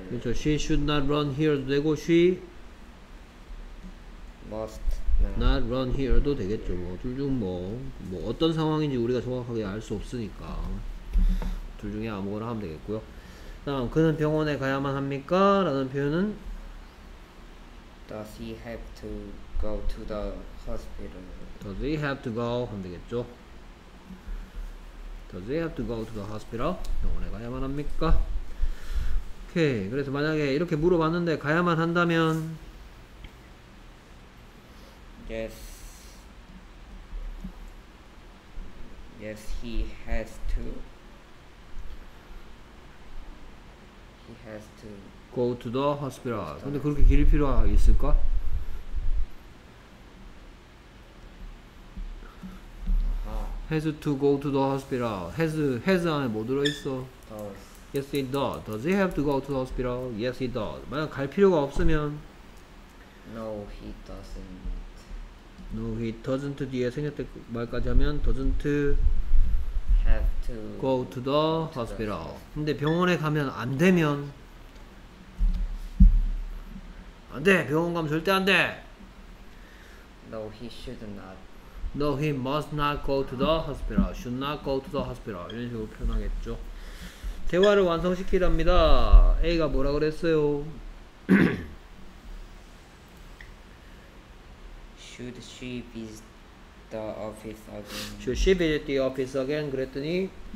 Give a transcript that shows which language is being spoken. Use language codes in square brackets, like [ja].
[ko] 그렇죠. [en] She should not run here도 되고 must not run here도 되겠죠. [ko] 뭐 둘 중 뭐 어떤 상황인지 우리가 정확하게 알 수 없으니까 둘 중에 아무거나 하면 되겠고요. 다음 그는 병원에 가야만 합니까? 라는 표현은 [en] Does he have to go to the hospital? Does he have to go? [ko] 하면 되겠죠. [en] Does he have to go to the hospital? [ko] 병원에 가야만 합니까? 오케이. 그래서 만약에 이렇게 물어봤는데 가야만 한다면 [en] Yes. Yes, he has to. He has to go to the hospital. [ko] 근데 그렇게 길 필요가 있을까? 아하. [en] Has to go to the hospital. Has [ko] 안에 뭐 들어 있어? [en] Yes, he does. Does he have to go to the hospital? Yes, he does. [ko] 만약 갈 필요가 없으면 [en] No, he doesn't. No, he doesn't. [ko] 뒤에 생략될 말까지 하면 doesn't [en] have to go to the hospital. [ko] 근데 병원에 가면 안 되면 안 돼. 병원 가면 절대 안 돼. [en] No, he should not. No, he must not go to the hospital. Should not go to the hospital. [ko] 이런 식으로 표현하겠죠. 대화를 완성시키랍니다. A가 뭐라 그랬어요? [en] Should she visit the office again? Should she visit the office again? [ko] 그랬더니